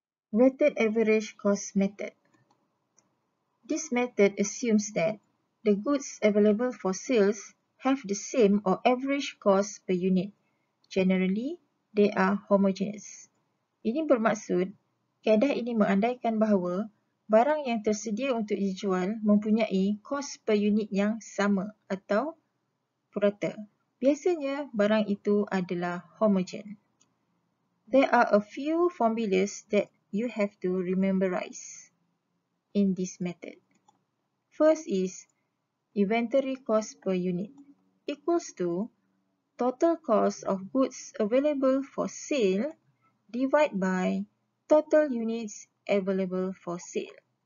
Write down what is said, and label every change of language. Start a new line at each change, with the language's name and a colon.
English: Weighted average cost method. This method assumes that the goods available for sales have the same or average cost per unit. Generally, they are homogeneous.
Malay: Ini bermaksud, kaedah ini mengandaikan bahawa barang yang tersedia untuk dijual mempunyai kos per unit yang sama atau purata. Biasanya, barang itu adalah homogen.
English: There are a few formulas that you have to rememberize in this method. First is inventory cost per unit equals to total cost of goods available for sale divided by total units available for sale.